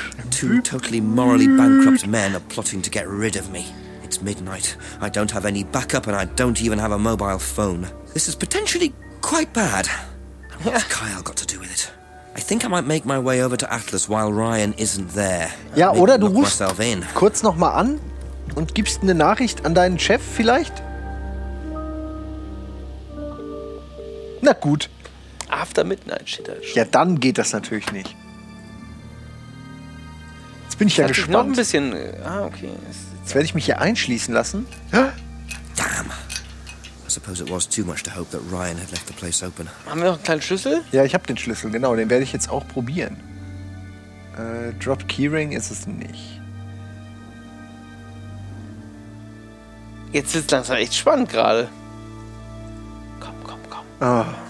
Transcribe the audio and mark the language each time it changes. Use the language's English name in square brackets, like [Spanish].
[English] Two totally morally bankrupt men are plotting to get rid of me. It's midnight. I don't have any backup and I don't even have a mobile phone. This is potentially quite bad. What's Kyle got to do with it? I think I might make my way over to Atlas while Ryan isn't there. [German] Ja, oder du rufst kurz nochmal an und gibst eine Nachricht an deinen Chef vielleicht? Na gut. [English] After midnight [German] steht da schon. Ja, dann geht das natürlich nicht. Jetzt bin ich ja gespannt. Noch ein bisschen. Ah, okay. Jetzt werde ich mich hier einschließen lassen. [English] Damn. I suppose it was too much to hope that Ryan had left the place open. [German] Haben wir noch einen kleinen Schlüssel? Ja, ich habe den Schlüssel, genau. Den werde ich jetzt auch probieren. Drop Keyring ist es nicht. Jetzt ist es langsam echt spannend gerade. Komm, komm, komm. Oh.